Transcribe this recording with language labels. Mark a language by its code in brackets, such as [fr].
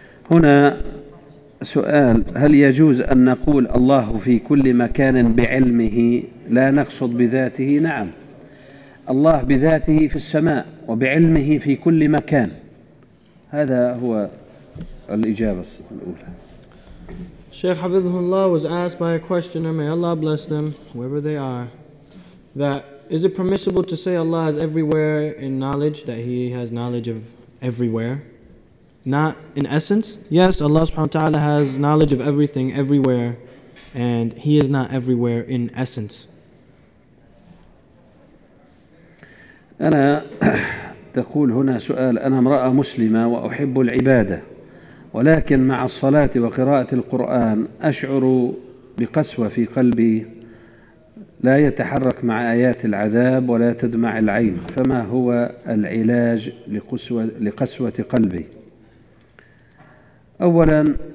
[ar] هنا سؤال: هل يجوز أن نقول الله في كل مكان بعلمه لا نقصد بذاته؟ نعم، الله بذاته في السماء وبعلمه في كل مكان، هذا هو الإجابة الأولى. شيخ حفظه الله [en] was asked by a questioner, may Allah bless them whoever they are, that is it permissible to say Allah is everywhere in knowledge, that He has knowledge of everywhere? Not in essence? Yes, Allah subhanahu wa ta'ala has knowledge of everything, everywhere, and He is not everywhere in essence. [ar] أنا تقول هنا سؤال: أنا امرأة مسلمة وأحب العبادة، ولكن مع الصلاة وقراءة القرآن أشعر بقسوة في قلبي لا يتحرك مع آيات العذاب ولا تدمع العين، فما هو العلاج لقسوة قلبي؟ أولا،